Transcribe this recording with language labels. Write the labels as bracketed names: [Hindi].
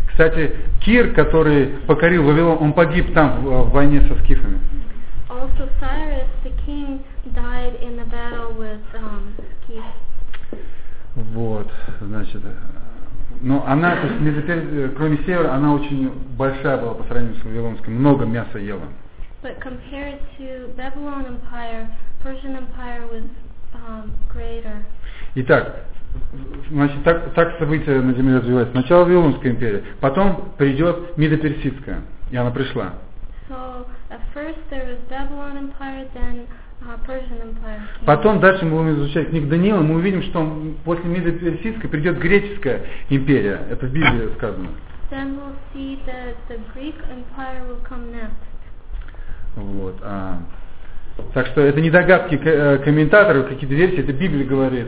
[Russian] Кстати, Кир, который покорил Вавилон, он погиб там в войне со скифами. [English] All also Cyrus, the king, died in a battle with Kish. [Russian] Вот, значит, но она, то есть, не запер... кроме севера, она очень большая была по сравнению с Вавилонской, много мяса ела. [English] But compared to Babylon Empire, Persian Empire was greater. [Russian] Итак, значит, так события на земле развиваются. Сначала Вавилонская империя, потом придет Медоперсидская, и она пришла. [English] So, at first there was Babylon Empire, then Persian Empire. [Russian] Потом дальше мы будем изучать книгу Даниила, мы увидим, что после Медоперсидской придет Греческая империя. Это в Библии сказано. [English] Then we'll see that the Greek Empire will come next. [Russian] Вот. А. Так что это не догадки комментаторов, какие-то версии, это Библия говорит.